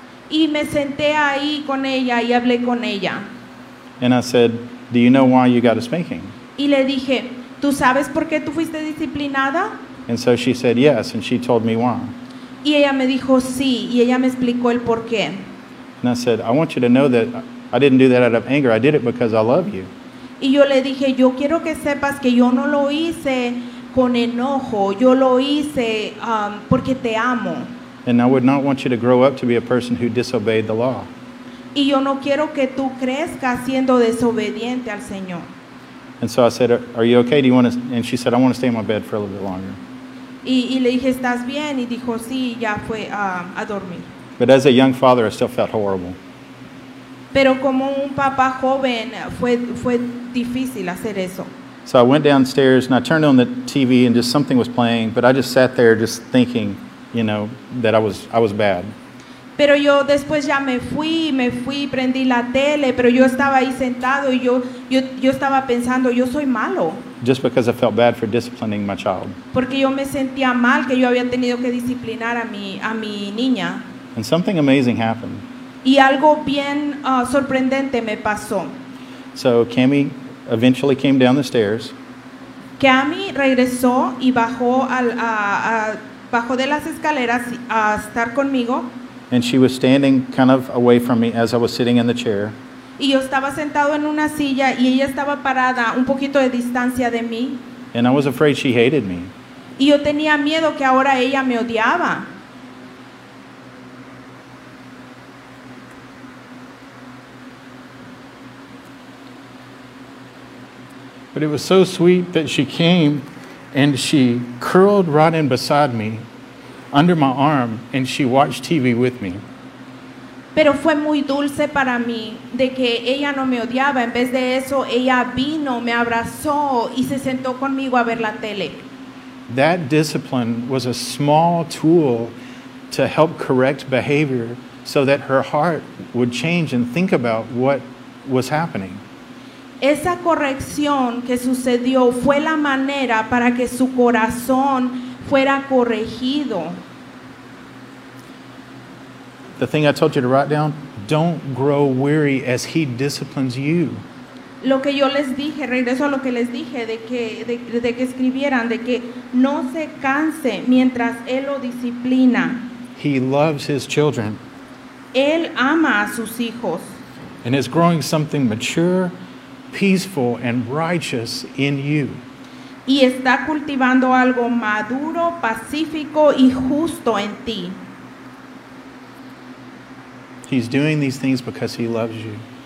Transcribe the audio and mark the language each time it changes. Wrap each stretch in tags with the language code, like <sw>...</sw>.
<es>Y me senté ahí con ella y hablé con ella.</es> <en>And I said, do you know why you got a spanking?</en> <es>Y le dije, ¿tú sabes por qué tú fuiste disciplinada?</es> <en>And so she said yes, and she told me why.</en> <es>Y ella me dijo sí, y ella me explicó el por qué.</es> <en>And I said, I want you to know that I didn't do that out of anger. I did it because I love you.</en> <es>Y yo le dije, yo quiero que sepas que yo no lo hice con enojo. Yo lo hice porque te amo.</es> <en>And I would not want you to grow up to be a person who disobeyed the law.</en> <es>Y yo no quiero que tú crezcas siendo desobediente al Señor.</es> <en>And so I said, are you okay? Do you want to? And she said, I want to stay in my bed for a little bit longer.</en> <es>Y le dije, ¿estás bien? Y dijo, sí, ya fue a dormir.</es> <en>But as a young father, I still felt horrible.</en> <es>Pero como un papá joven, fue difícil hacer eso.</es> <en>So I went downstairs and I turned on the TV and just something was playing, but I just sat there just thinking, you know, that I was bad.</en> <es>Pero yo después ya me fui, prendí la tele, pero yo estaba ahí sentado y yo estaba pensando, yo soy malo.</es> <en>Just because I felt bad for disciplining my child.</en> <es>Porque yo me sentía mal que yo había tenido que disciplinar a mi niña.</es> <en>And something amazing happened.</en> <es>Y algo bien sorprendente me pasó.</es> <en>So Cammy eventually came down the stairs.</en> <es>Cammy regresó y bajó de las escaleras a estar conmigo.</es> <en>And she was standing kind of away from me as I was sitting in the chair.</en> <es>Y yo estaba sentado en una silla y ella estaba parada un poquito de distancia de mí.</es> <en>And I was afraid she hated me.</en> <es>Y yo tenía miedo que ahora ella me odiaba.</es> <en>But it was so sweet that she came and she curled right in beside me under my arm and she watched TV with me.</en> <es>Pero fue muy dulce para mí de que ella no me odiaba, en vez de eso ella vino, me abrazó y se sentó conmigo a ver la tele.</es> <en>That discipline was a small tool to help correct behavior so that her heart would change and think about what was happening.</en> <es>Esa corrección que sucedió fue la manera para que su corazón fuera corregido.</es> <en>The thing I told you to write down, don't grow weary as he disciplines you.</en> <es>Lo que yo les dije, regreso a lo que les dije, de que escribieran, de que no se canse mientras él lo disciplina.</es> <en>He loves his children.</en> <es>Él ama a sus hijos.</es> <en>And is growing something mature, peaceful and righteous in you.</en> <es>Y está cultivando algo maduro, pacífico y justo en ti.</es> <en>He's doing these things because he loves you.</en>